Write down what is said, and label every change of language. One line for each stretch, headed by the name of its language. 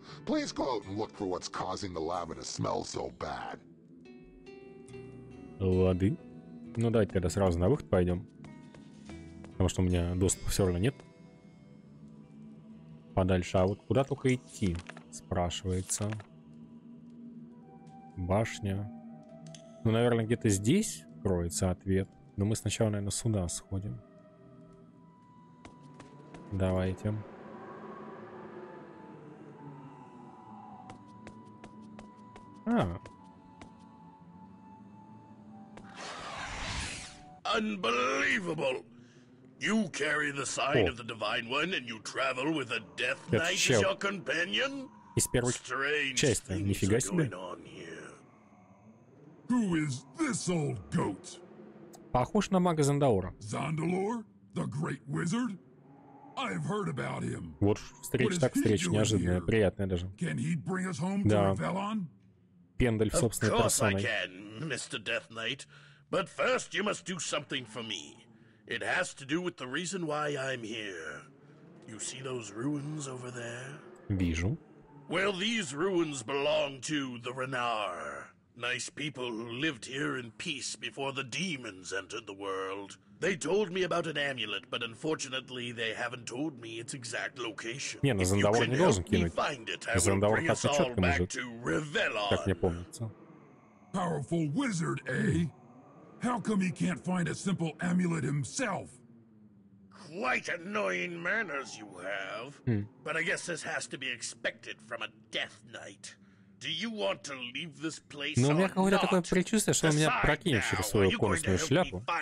English: Please go out and look for what's causing the lava to smell so bad.
Russian: Лады. Ну, давайте тогда сразу на выход пойдем. Потому что у меня доступа все равно нет. Подальше. А вот куда только идти, спрашивается. Башня. Ну, наверное, где-то здесь кроется ответ. Но мы сначала, наверное, сюда сходим. Давайте. А.
English: Unbelievable! You carry the sign of the Divine One, and you travel with a Death Knight as your companion? Strange things are going on here. Who is this old goat?
Russian: Похож на мага Зандаура.
English: Зандалор? The great wizard? I've heard about him.
Russian: Вот встреча так встреча, неожиданная, приятная даже.
English: Can he bring us home to Avalon?
Russian: Пендель в собственной персоной.
English: Of course I can, Mr. Death Knight. But first you must do something for me. It has to do with the reason why I'm here. You see those ruins over there?
Russian: Вижу.
English: Well, these ruins belong to the Renar. Nice people who lived here in peace before the demons entered the world. They told me about an amulet, but unfortunately they haven't told me its exact location.
Russian: Не, ну Зандавор не должен кинуть. Зандавор как-то четко может. Как мне помнится.
English: Powerful wizard, eh? How come he can't find a simple amulet himself? Quite annoying manners you have. But I guess this has to be expected from a death knight. Do you want to leave this place?
Russian: Но у меня какое-то такое предчувствие, что он меня прокинет через свою комнатную шляпу.